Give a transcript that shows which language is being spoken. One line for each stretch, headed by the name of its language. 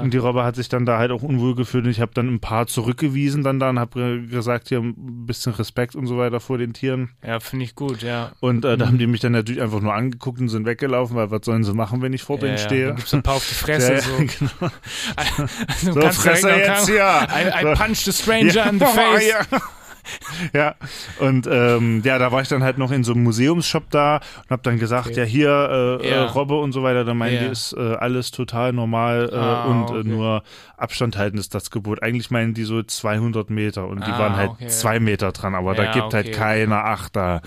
German: Und die Robbe hat sich dann da halt auch unwohl gefühlt und ich habe dann ein paar zurückgewiesen dann da und habe gesagt, hier ein bisschen Respekt und so weiter vor den Tieren. Ja, finde ich gut, ja. Und da haben die mich dann natürlich einfach nur angeguckt und sind weggelaufen, weil was sollen sie machen, wenn ich vor denen stehe? Dann gibt's ein paar auf die Fresse, so. Genau. Also, so, Fresse jetzt,
English: I punch the stranger in the face.
German: Ja, und da war ich dann halt noch in so einem Museumsshop da und hab dann gesagt, hier, Robbe und so weiter, dann meinen die, ist alles total normal nur Abstand halten ist das Gebot. Eigentlich meinen die so 200 Meter und die waren halt 2 Meter dran, aber halt keiner Achter.